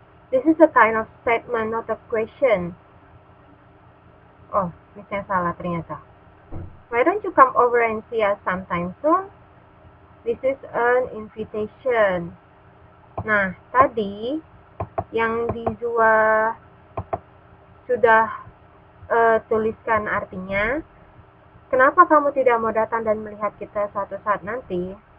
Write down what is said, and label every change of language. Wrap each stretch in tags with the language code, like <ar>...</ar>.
<en>This is a kind of statement, not a question.</en> <id>Oh, misalnya salah ternyata.</id> <en>Why don't you come over and see us sometime soon? This is an invitation.</en> <id>Nah, tadi yang Dizua sudah tuliskan artinya. Kenapa kamu tidak mau datang dan melihat kita suatu saat nanti?</id>